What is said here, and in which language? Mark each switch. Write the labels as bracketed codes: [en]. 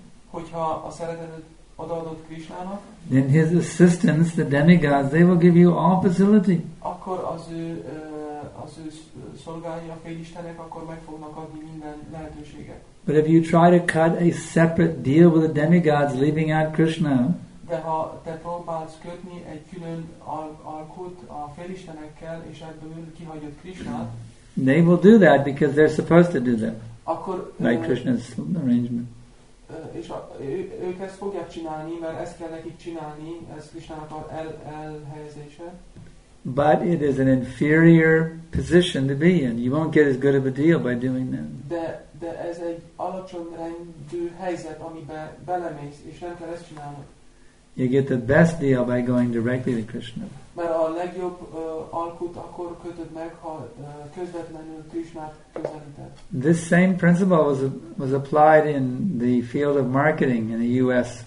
[hu] hogyha a szeretetet odaadod Krishnának, [en] then his assistants, the demigods, they will give you all facility. [hu] Akkor az ő szolgálja a félistenek, akkor meg fognak adni minden lehetőséget. [en] But if you try to cut a separate deal with the demigods, leaving out Krishna, [hu] de ha te próbálsz kötni egy külön alkut a félistenekkel, és ebből kihagyod Krishnát, [en] they will do that because they're supposed to do that. [hu] Akkor, [en] by Krishna's arrangement. [hu] És ők ezt fogják csinálni, mert ezt kell nekik csinálni, ez Krishnának elhelyezése. [en] But it is an inferior position to be in. You won't get as good of a deal by doing that. [hu] De ez egy alacsony rendű helyzet, amiben belemész, és nem kell ezt csinálnod. [en] You get the best deal by going directly to Krishna. [hu] Mert a legjobb alkut akkor kötöd meg, ha közvetlenül Krishnát közelíted. [en] This same principle was applied in the field of marketing in the U.S.